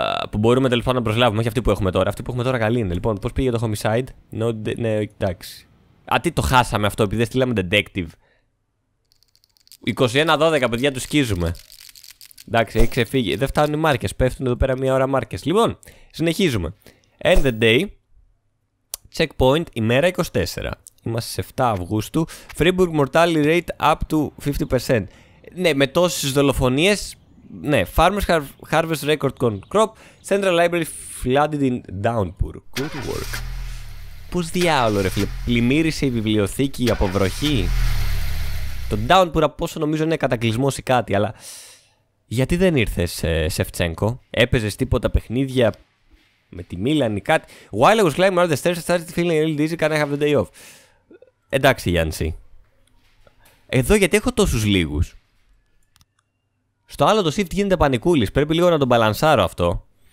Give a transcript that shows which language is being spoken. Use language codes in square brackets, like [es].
[el] Που μπορούμε τελικά να προσλάβουμε, όχι αυτοί που έχουμε τώρα. Αυτοί που έχουμε τώρα καλή είναι. Λοιπόν, πώς πήγε το homicide? No, ναι, εντάξει. Α, τι το χάσαμε αυτό, επειδή δεν στείλαμε detective. 21-12, παιδιά, τους σκίζουμε. Εντάξει, έχει ξεφύγει. Δεν φτάνουν οι μάρκες. Πέφτουν εδώ πέρα μία ώρα μάρκες. Λοιπόν, συνεχίζουμε. [en] End the day. [el] Checkpoint, ημέρα 24. Είμαστε σε 7 Αυγούστου. [en] Freiburg mortality rate up to 50%. [el] Ναι, με τόσες δολοφονίες. [en] Ναι, farmers harvest record corn crop. Central library flooded in downpour. Good work. [el] Πώς διάολο ρε φίλε, πλημμύρισε η βιβλιοθήκη από βροχή. Το downpour από όσο νομίζω είναι κατακλυσμός ή κάτι, αλλά γιατί δεν ήρθες, Σεφτσένκο? Έπαιζες τίποτα παιχνίδια με τη Μίλαν ή κάτι? [en] While I was climbing around the stairs, I started feeling a little dizzy, can I have the day off? [el] Εντάξει, Γιάννη. Εδώ γιατί έχω τόσους λίγους? Στο άλλο το shift γίνεται πανικούλης. Πρέπει λίγο να τον μπαλανσάρω αυτό.